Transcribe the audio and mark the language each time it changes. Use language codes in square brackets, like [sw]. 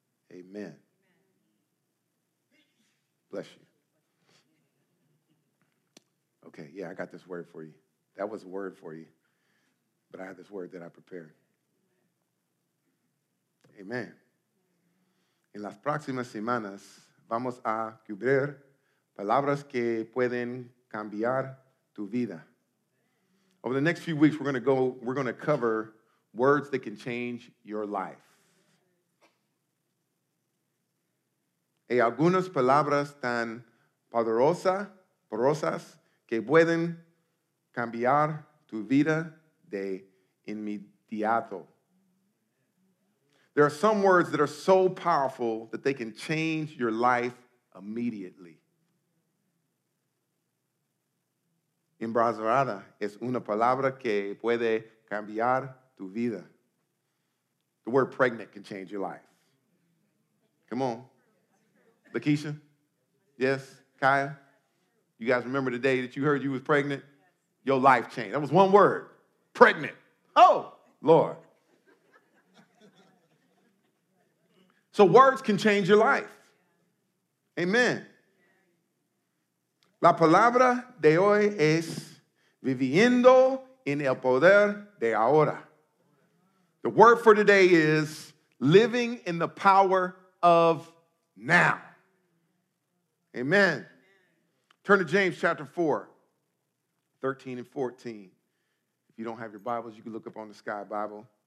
[en] Amen. Bless you. Okay, yeah, I got this word for you. That was a word for you, but I have this word that I prepared. Amen. [es] En las próximas semanas, vamos a cubrir palabras que pueden cambiar tu vida. [en] Over the next few weeks, we're going to cover words that can change your life. [es] Y algunas palabras tan poderosas que pueden cambiar tu vida de inmediato. [en] There are some words that are so powerful that they can change your life immediately. [es] Embrazada es una palabra que puede cambiar tu vida. [en] The word pregnant can change your life. Come on. Lakeisha? Yes? Kaya? You guys remember the day that you heard you was pregnant? Your life changed. That was one word. Pregnant. Oh, Lord. So words can change your life. Amen. [es] La palabra de hoy es viviendo en el poder de ahora. [en] The word for today is living in the power of now. Amen. Turn to James chapter 4, 13 and 14. If you don't have your Bibles, you can look up on the Sky Bible.